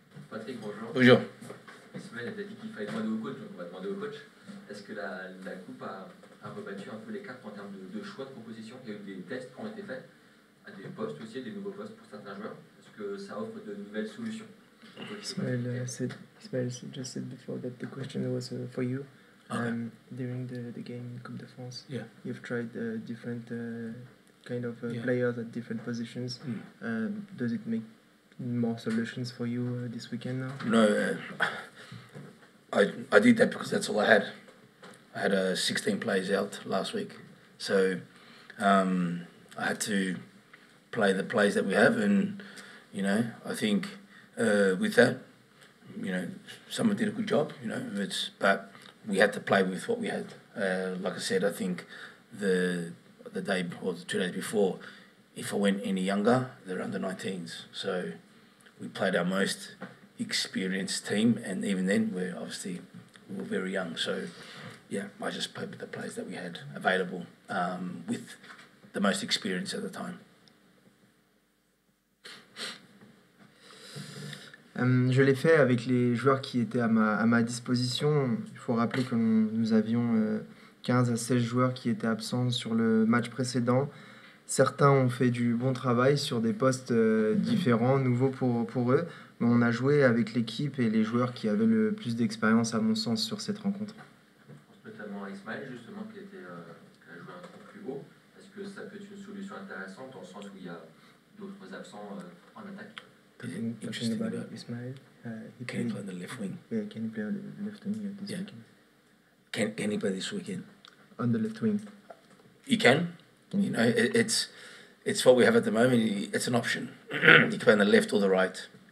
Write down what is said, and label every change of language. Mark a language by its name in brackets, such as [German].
[French] Patrick, bonjour. Bonjour. Ismaël a dit qu'il fallait demander au coach, donc on va demander au coach. Est-ce que la coupe a rebattu un peu les cartes en termes de choix de composition? Il y a eu des tests qui ont été faits à des postes aussi, des nouveaux postes pour certains joueurs. Est-ce que ça offre de nouvelles solutions? [English] Ismaël just said before that the question was for you. During the game Coupe de France, you've tried different kind of players at different positions. Does it make more solutions for you this weekend now? No, I did that because that's all I had. I had 16 players out last week, so I had to play the players that we have, and I think with that, someone did a good job. But we had to play with what we had. Like I said, I think the day or 2 days before, if I went any younger, they're under 19s, so we played our most experienced team, and even then, we were very young. So, yeah, I just played with the players that we had available, with the most experience at the time. [French] Je l'ai fait avec les joueurs qui étaient à ma disposition. Il faut rappeler que nous avions 15 à 16 joueurs qui étaient absents sur le match précédent. Certains ont fait du bon travail sur des postes différents, nouveaux pour eux, mais on a joué avec l'équipe et les joueurs qui avaient le plus d'expérience, à mon sens, sur cette rencontre. Notamment à Ismaël, justement, qui a joué un peu plus haut. Est-ce que ça peut être une solution intéressante dans le sens où il y a d'autres absents en attaque? [English] Talking Interesting about about Ismaël, can he play on the left wing? Yeah, can he play on the left wing this Yeah. weekend? Can he play this weekend? On the left wing. He can. It's what we have at the moment. It's an option. You can play on the left or the right.